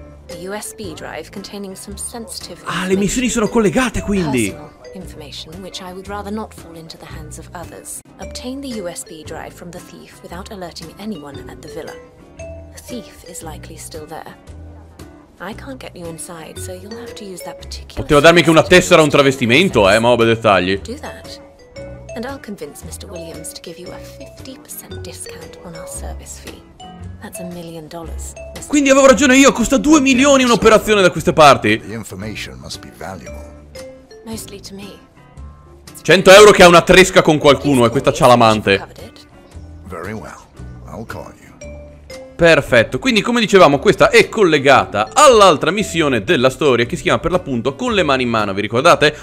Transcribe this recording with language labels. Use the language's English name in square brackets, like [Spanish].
[English] A USB drive containing some sensitive. [Italian] Ah, le missioni sono collegate, quindi. [English] Information which I would rather not fall into the hands of others. Obtain the USB drive from the thief without alerting anyone at the villa. The thief is likely still there. I can't get you inside, so you'll have to use that particular. [Italian] Poteva darmi che una tessera o un travestimento, ma vabbè, dettagli. [English] Do that. And I'll convince Mr. Williams to give you a 50% discount on our service fee. That's a million dollars. [Italian] Quindi avevo ragione io, costa 2 milioni un'operazione da queste parti. [English] The information must be valuable. Mostly to me. [Italian] 100 euro che ha una tresca con qualcuno e questa c'ha l'amante. [English] Very well. I'll call you. [Italian] Perfetto, quindi come dicevamo questa è collegata all'altra missione della storia che si chiama per l'appunto Con le mani in mano. Vi ricordate?